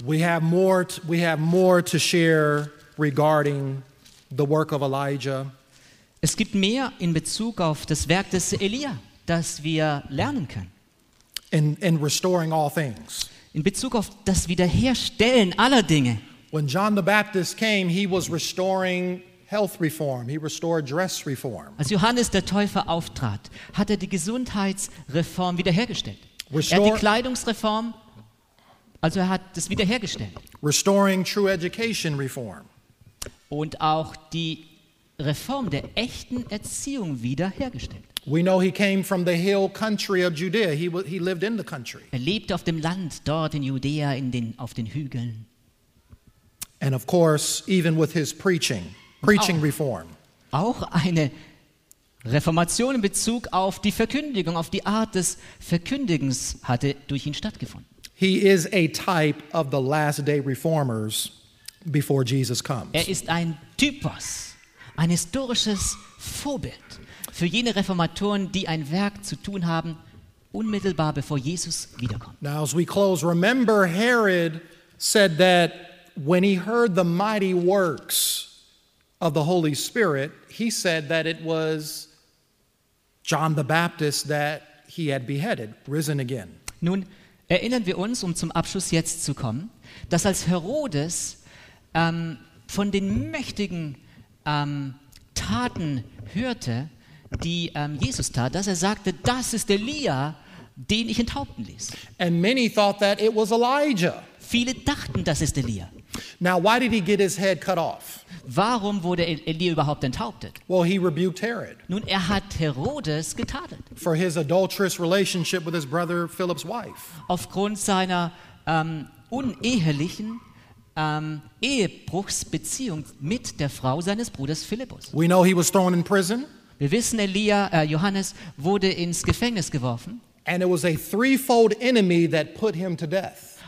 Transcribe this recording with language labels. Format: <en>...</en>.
<en>We have more to share regarding the work of Elijah.</en> <de>Es gibt mehr in Bezug auf das Werk des Elia, das wir lernen können.</de> <en>In restoring all things.</en> <de>In Bezug auf das Wiederherstellen aller Dinge.</de> <en>When John the Baptist came, he was restoring health reform. He restored dress reform.</en> <de>Als Johannes der Täufer auftrat, hat die Gesundheitsreform wiederhergestellt. Die Kleidungsreform, also hat das wiederhergestellt.</de> <en>Restoring true education reform.</en> <de>Und auch die Reform der echten Erziehung wiederhergestellt.</de> <en>We know he came from the hill country of Judea. He lived in the country.</en> <de>Er lebte auf dem Land dort in Judäa auf den Hügeln.</de> <en>And of course, even with his preaching auch, reform.</en> <de>Auch eine Reformation in Bezug auf die Verkündigung, auf die Art des Verkündigens hatte durch ihn stattgefunden.</de> <en>He is a type of the last day reformers before Jesus comes.</en> <de>Er ist ein Typus, ein historisches Vorbild für jene Reformatoren, die ein Werk zu tun haben, unmittelbar bevor Jesus wiederkommt.</de> <en>Now as we close, remember Herod said that when he heard the mighty works of the Holy Spirit, he said that it was John the Baptist that he had beheaded, risen again.</en> <de>Nun erinnern wir uns, um zum Abschluss jetzt zu kommen, dass als Herodes von den mächtigen Taten hörte, die Jesus tat, dass er sagte, das ist Elia, den ich enthaupten ließ.</de> <en>And many thought that it was Elijah.</en> <de>Viele dachten, das ist Elia.</de> <en>Now, why did he get his head cut off?</en> <de>Warum wurde Elia überhaupt enthauptet?</de> <en>Well, he rebuked Herod.</en> <de>Nun, hat Herodes getadelt.</de> <en>For his adulterous relationship with his brother Philip's wife.</en> <de>Aufgrund seiner unehelichen Ehebruchsbeziehung mit der Frau seines Bruders Philippus.</de> <en>We know he was thrown in prison.</en> <de>Wir wissen, Johannes wurde ins Gefängnis geworfen.</de> <en>And it was a threefold enemy that put him to death.</en>